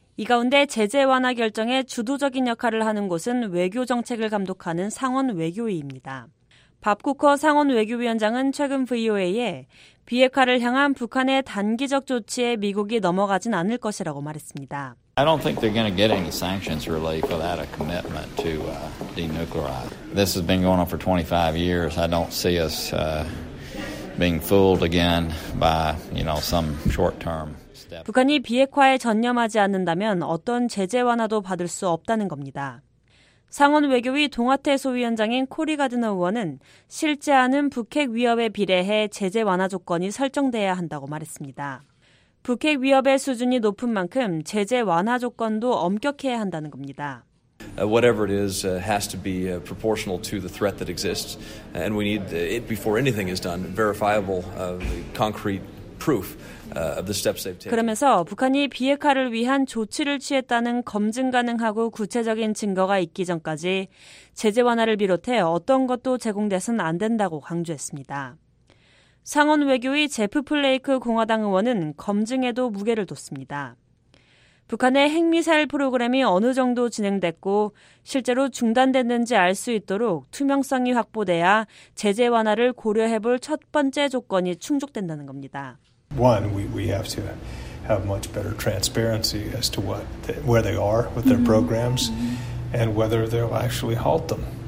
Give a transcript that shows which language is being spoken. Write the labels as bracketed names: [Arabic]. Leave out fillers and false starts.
[Korean] 이 가운데 제재 완화 결정에 주도적인 역할을 하는 곳은 외교정책을 감독하는 상원 외교위입니다. 밥 쿠커 상원 외교위원장은 최근 VOA에 비핵화를 향한 북한의 단기적 조치에 미국이 넘어가진 않을 것이라고 말했습니다. [English] I don't think they're going to get any sanctions relief without a commitment to denuclearize. This has been going on for 25 years. I don't see us being fooled again by, you know, some short-term step. [Korean] 북한이 비핵화에 전념하지 않는다면 어떤 제재 완화도 받을 수 없다는 겁니다. 상원 외교위 동아태 소위원장인 코리 가드너 의원은 실제하는 북핵 위협에 비례해 제재 완화 조건이 설정돼야 한다고 말했습니다. 북핵 위협의 수준이 높은 만큼 제재 완화 조건도 엄격해야 한다는 겁니다. [English] Whatever it is has to be proportional to the threat that exists and we need it before anything is done verifiable concrete proof of the steps they've taken. [Korean] 그러면서 북한이 비핵화를 위한 조치를 취했다는 검증 가능하고 구체적인 증거가 있기 전까지 제재 완화를 비롯해 어떤 것도 제공돼선 안 된다고 강조했습니다. 상원 외교위 제프 플레이크 공화당 의원은 검증에도 무게를 뒀습니다. 북한의 핵미사일 프로그램이 어느 정도 진행됐고 실제로 중단됐는지 알 수 있도록 투명성이 확보돼야 제재 완화를 고려해볼 첫 번째 조건이 충족된다는 겁니다. [English] One, we have to have much better transparency as to what, where they are with their programs and whether they'll actually halt them.